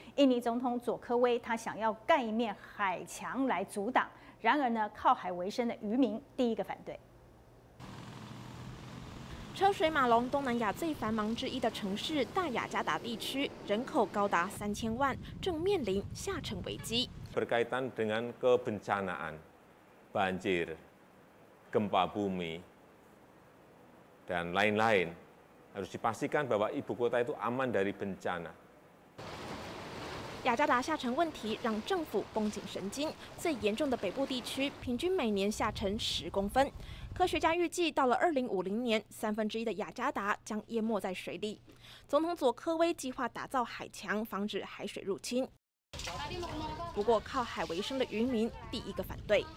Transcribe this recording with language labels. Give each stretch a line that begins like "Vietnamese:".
Chinese: 印尼总统佐科威他想要盖一面海墙来阻挡，然而呢，靠海为生的渔民第一个反对。车水马龙，东南亚最繁忙之一的城市大雅加达地区，人口高达3000万，正面临下沉危机。
Indonesian: berkaitan dengan kebencanaan, banjir, gempa bumi, dan lain-lain, harus dipastikan bahwa ibu kota itu aman dari bencana.
Chinese: 雅加达下沉问题让政府绷紧神经，最严重的北部地区平均每年下沉10公分。科学家预计到了2050年，1/3的雅加达将淹没在水里。总统佐科威计划打造海墙防止海水入侵，不过靠海为生的渔民第一个反对。